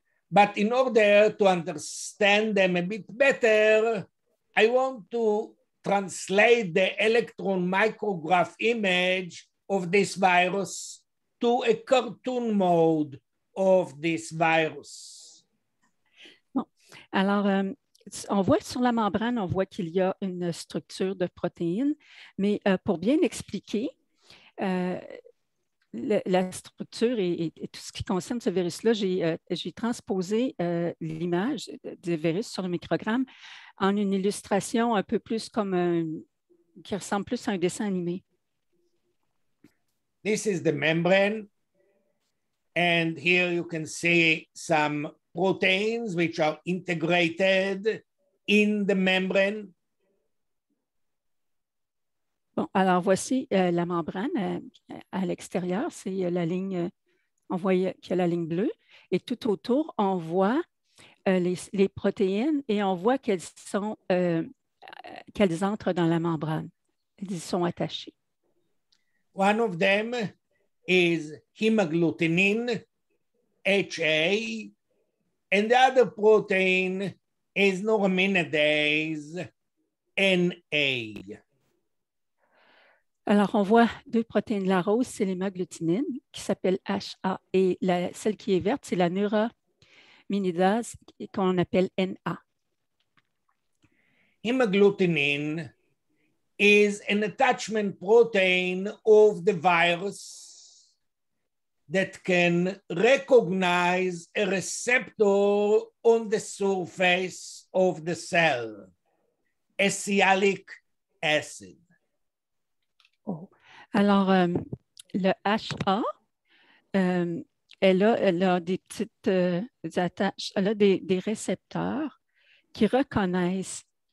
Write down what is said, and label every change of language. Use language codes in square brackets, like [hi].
[en] But in order to understand them a bit better, I want to translate the electron micrograph image of this virus to a cartoon mode of this virus. [fr] Bon. Alors, on voit sur la membrane, on voit qu'il y a une structure de protéines, mais pour bien expliquer la structure et tout ce qui concerne ce virus-là, j'ai transposé l'image du virus sur le microgramme en une illustration un peu plus comme qui ressemble plus à un dessin animé. [en] This is the membrane. And here you can see some proteins which are integrated in the membrane. [fr] Bon, alors voici la membrane à l'extérieur. C'est la ligne, on voit qu'il y a la ligne bleue. Et tout autour, on voit les protéines et on voit qu'elles entrent dans la membrane. Elles y sont attachées. [en] One of them is hemagglutinin, HA, and the other protein is neuraminidase, NA. [fr] Alors, on voit deux protéines. La rose, c'est l'hémagglutinine, qui s'appelle HA, et celle qui est verte, c'est la neuraminidase, qu'on appelle NA. [en] Hemagglutinin is an attachment protein of the virus that can recognize a receptor on the surface of the cell, acetylic acid. [fr] Alors, le HA, elle a des récepteurs qui reconnaissent